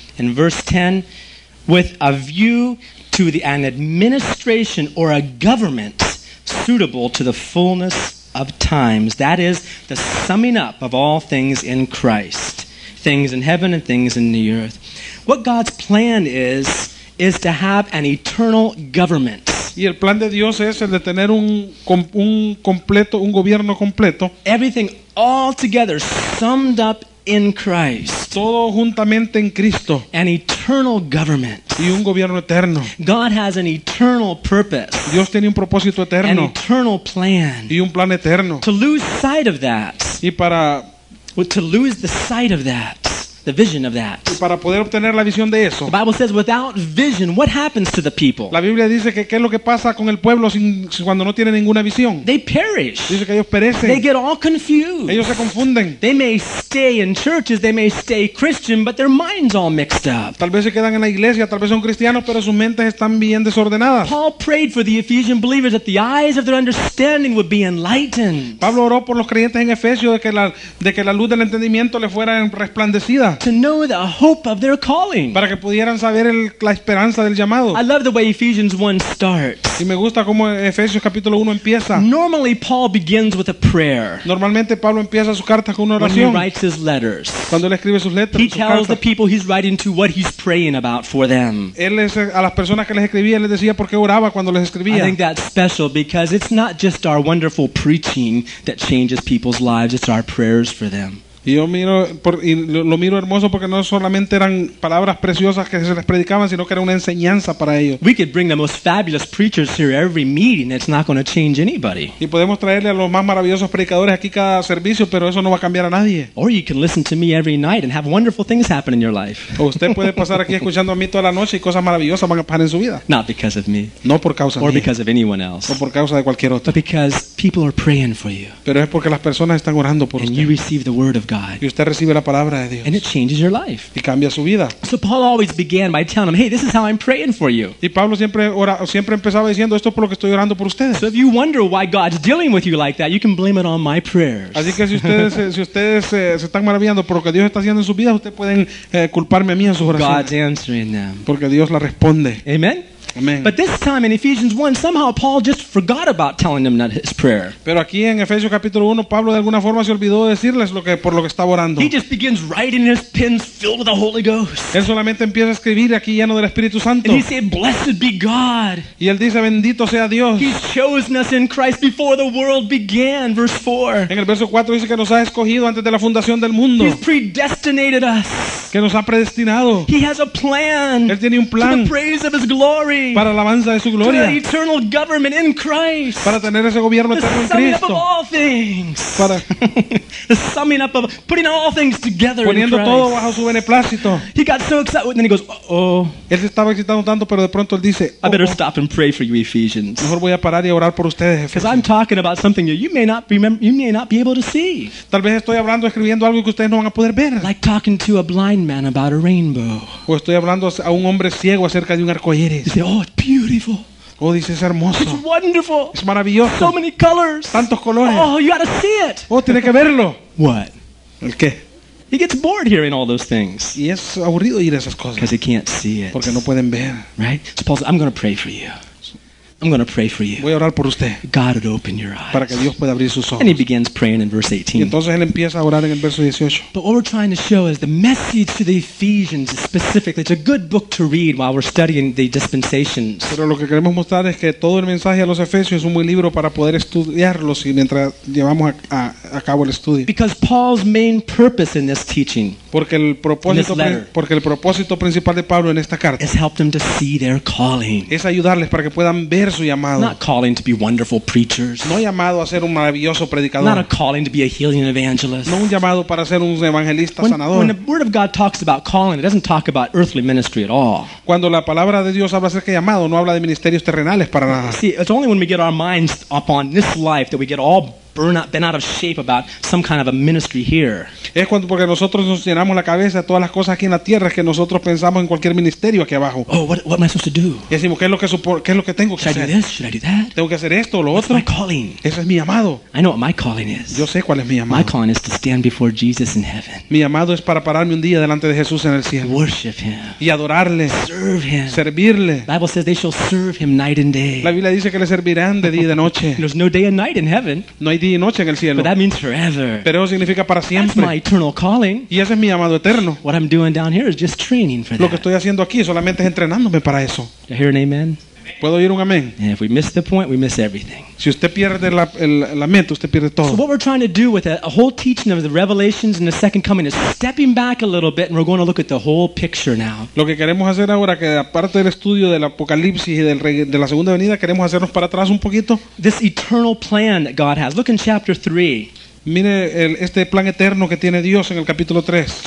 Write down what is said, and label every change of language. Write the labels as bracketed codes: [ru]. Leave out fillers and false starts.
[en] In verse 10, with a view to an administration or a government suitable to the fullness of times. That is the summing up of all things in Christ, things in heaven and things in the earth. What God's plan is to have an eternal government. [es] Y el plan de Dios es el de tener un completo, un gobierno completo. [en] Everything all together summed up in Christ. [es] Todo juntamente en Cristo. [en] An eternal government. [es] Y un gobierno eterno. [en] God has an eternal purpose. [es] Dios tiene un propósito eterno. [en] An eternal plan. [es] Y un plan eterno. [en] To lose sight of that. [es] Y para [en] to lose the sight of that. The vision of that. [es] Y para poder obtener la visión de eso. [en] The Bible says, without vision, what happens to the people? [es] La Biblia dice que qué es lo que pasa con el pueblo cuando no tiene ninguna visión. [en] They perish. [es] Dice que ellos perecen. [en] They get all confused. [es] Ellos se confunden. [en] They may stay in churches, they may stay Christian, but their minds all mixed up. [es] Tal vez se quedan en la iglesia, tal vez son cristianos, pero sus mentes están bien desordenadas. [en] Paul prayed for the Ephesian believers that the eyes of their understanding would be enlightened. [es] Pablo oró por los creyentes en Efesios de que la luz del entendimiento les fuera resplandecida. [en] To know the hope of their calling. [es] Para que pudieran saber la esperanza del llamado. [en] I love the way Ephesians 1 starts. [es] Y me gusta cómo Efesios capítulo 1 empieza. [en] Normally Paul begins with a prayer. [es] Normalmente Pablo empieza sus cartas con una oración. [en] When he writes his letters. [es] Cuando él escribe sus letras, [en] he tells the people he's writing to what he's praying about for them. [es] Él es a las personas que les escribía, les decía por qué oraba cuando les escribía. [en] I think that's special because it's not just our wonderful preaching that changes people's lives, it's our prayers for them. [es] Y lo miro hermoso porque no solamente eran palabras preciosas que se les predicaban, sino que era una enseñanza para ellos. [en] We could bring the most fabulous preachers here every meeting, it's not going to change anybody. [es] Y podemos traerle a los más maravillosos predicadores aquí cada servicio, pero eso no va a cambiar a nadie. [en] Or you can listen to me every night and have wonderful things happen in your life. [es] O usted puede pasar aquí escuchando a mí toda la noche y cosas maravillosas van a pasar en su vida. [en] Not because of me. [es] No por causa mía. [en] Or because of anyone else. [es] O por causa de cualquier otro. [en] But because people are praying for you. [es] Pero es porque las personas están orando por usted. [en] And you receive the word of God. [es] Y usted recibe la palabra de Dios. [en] And it changes your life. [es] Y cambia su vida. [en] So Paul always began by telling him, hey, this is how I'm praying for you. [es] Y Pablo siempre empezaba diciendo, esto es por lo que estoy orando por ustedes. [en] So if you wonder why God's dealing with you like that, you can blame it on my prayers. [es] Así que si ustedes se están maravillando por lo que Dios está haciendo en su vida, ustedes pueden culparme a mí en sus oraciones. [en] God's answering them. [es] Porque Dios la responde. [en] Amen. [es] Amen. [en] But this time in Ephesians 1, somehow Paul just forgot about telling them that his prayer. [es] Pero aquí en Efesios capítulo 1, Pablo de alguna forma se olvidó de decirles por lo que estaba orando. [en] He just begins writing his pens filled with the Holy Ghost. [es] Él solamente empieza a escribir aquí lleno del Espíritu Santo. [en] And he said, "Blessed be God." [es] Y él dice, "Bendito sea Dios." [en] He's chosen us in Christ before the world began, verse 4. [es] En el verso 4 dice que nos ha escogido antes de la fundación del mundo. [en] He's predestinated us. [es] Que nos ha predestinado. [en] He has a plan. [es] Él tiene un plan. [en] To the praise of his glory. [es] Para la alabanza de su gloria. [en] To the eternal government in Christ. [es] Para tener ese gobierno eterno en Cristo. [en] The summing up of all things. [es] Para [en] the summing up of putting all things together. [es] Poniendo [en] in Christ. [es] Todo bajo su beneplácito. [en] He got so excited, and then he goes, [es] Él se estaba excitando tanto, pero de pronto él dice, [en] I better stop and pray for you, Ephesians. [es] Mejor voy a parar y orar por ustedes, Efesios. [en] Because I'm talking about something that you may not be able to see. [es] Tal vez estoy hablando, escribiendo algo que ustedes no van a poder ver. [en] Like talking to a blind man about a rainbow. [es] O estoy hablando a un hombre ciego acerca de un arcoíris. Dice, [en] oh, it's beautiful. [es] Oh, dice, es hermoso. [en] It's wonderful. [es] Es maravilloso. [en] So many colors. [es] Tantos colores. [en] Oh, you gotta see it. [es] Oh, tiene que verlo. [en] What? [es] ¿El qué? [en] He gets bored hearing all those things. [es] Y es aburrido oír esas cosas. [en] Because he can't see it. [es] Porque no pueden ver. [en] Right? So Paul says, I'm gonna pray for you. I'm going to pray for you. [es] Voy a orar por usted. [en] God would open your eyes. [es] Para que Dios pueda abrir sus ojos. [en] And he begins praying in verse 18. [es] Y entonces él empieza a orar en el verso 18. [en] But what we're trying to show is the message to the Ephesians specifically. It's a good book to read while we're studying the dispensations. [es] Pero lo que queremos mostrar es que todo el mensaje a los Efesios es un buen libro para poder estudiarlo mientras llevamos a cabo el estudio. [en] Because Paul's main purpose in this teaching, [es] porque el propósito principal de Pablo en esta carta, [en] is help them to see their calling. [es] Es ayudarles para que puedan ver su llamado. [en] Not calling to be wonderful preachers. [es] No llamado a ser un maravilloso predicador. [en] Not a calling to be a healing evangelist. [es] No un llamado para ser un evangelista sanador. [en] When the word of God talks about calling, it doesn't talk about earthly ministry at all. [es] Cuando la palabra de Dios habla acerca de llamado, no habla de ministerios terrenales para nada. [en] See, it's only when we get our minds up on this life that we get all been out of shape about some kind of a ministry here. [es] Es cuando porque nosotros nos llenamos la cabeza de todas las cosas aquí en la tierra que nosotros pensamos en cualquier ministerio aquí abajo. [en] Oh, what am I supposed to do? [es] Y decimos, ¿qué es lo que tengo que hacer? [en] Should I do this? Should I do that? [es] Tengo que hacer esto o lo [en] What's [es] otro. [en] My calling? [es] Eso es mi llamado. [en] I know what my calling is. [es] Yo sé cuál es mi llamado. [en] My calling is to stand before Jesus in heaven. [es] Mi llamado es para pararme un día delante de Jesús en el cielo. [en] Worship him. [es] Y adorarle. [en] Serve him. [es] Servirle. [en] The Bible says they shall serve him night and day. [es] La Biblia dice que le servirán de día y de noche. [en] There's no day and night in heaven. [es] No hay día y noche en el cielo. [en] But that means forever. [es] Pero eso significa para siempre. [en] That's my eternal calling. [es] Y ese es mi llamado eterno. [en] What I'm doing down here is just training for that. [es] Lo que estoy haciendo aquí solamente es entrenándome para eso. [en] I hear an amen. [es] ¿Puedo oír un amén? [en] If we miss the point, we miss everything. [es] Si usted pierde la mente, usted pierde todo. [en] So what we're trying to do with a whole teaching of the revelations and the second coming is stepping back a little bit and we're going to look at the whole picture now. [es] Lo que queremos hacer ahora que aparte del estudio del Apocalipsis y de la segunda venida, queremos hacernos para atrás un poquito. [en] This eternal plan that God has. Look in chapter 3. [es] Mire este plan eterno que tiene Dios en el capítulo 3.